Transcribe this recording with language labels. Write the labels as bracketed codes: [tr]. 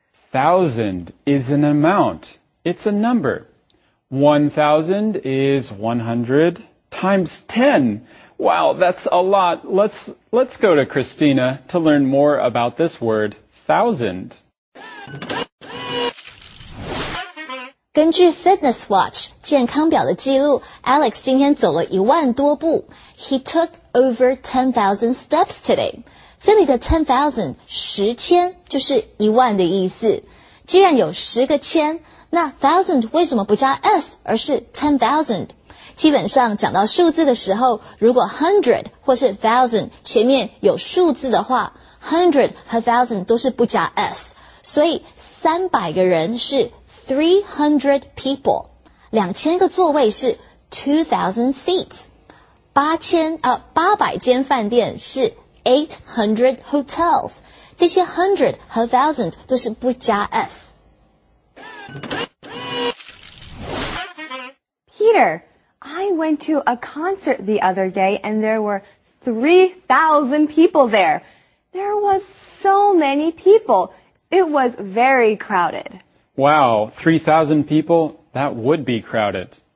[en] 1,000 is an amount. It's a number. 1,000 is 100 times 10. Wow, that's a lot. Let's go to Christina to learn more about this word, 1,000. [zh] 根据 Fitness Watch 健康表的记录 ，Alex 今天走了一万多步。 [en] He took over 10,000 steps today. [zh] 这里的 10,000 十千就是一万的意思。既然有十个千，那 thousand 为什么不加 s 而是 10,000？基本上讲到数字的时候，如果 hundred 或是 thousand 前面有数字的话 ，hundred 和 thousand 都是不加 s， 所以三百个人是。 [en] 300 people, [zh] 2000个座位是 [en] 2000 seats, [zh] 800间饭店是 [en] 800 hotels, [zh] 这些 100 和 1000 都是不加 S. [en] Peter, I went to a concert the other day and there were 3,000 people there. There was so many people. It was very crowded. Wow, 3,000 people? That would be crowded.